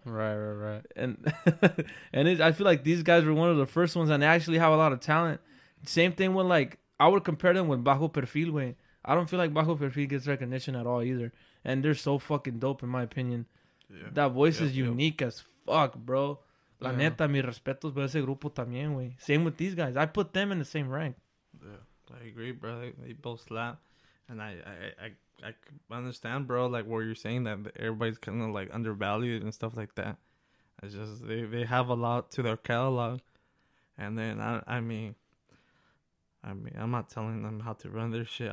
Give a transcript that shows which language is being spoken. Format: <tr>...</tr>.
<en>Right. And I feel like these guys were one of the first ones, and they actually have a lot of talent. Same thing with, like, I would compare them with Bajo Perfil, way. I don't feel like Bajo Perfil gets recognition at all either. And they're so fucking dope, in my opinion. Yeah. That voice is unique as fuck, bro.</en> <es>La neta, mis respetos por ese grupo también, güey.</es> <en>Same with these guys. I put them in the same rank. Yeah, I agree, bro. They both slap. And I understand, bro, like, what you're saying, that everybody's kind of, like, undervalued and stuff like that. It's just, they have a lot to their catalog. And then, I mean, I'm not telling them how to run their shit.</en>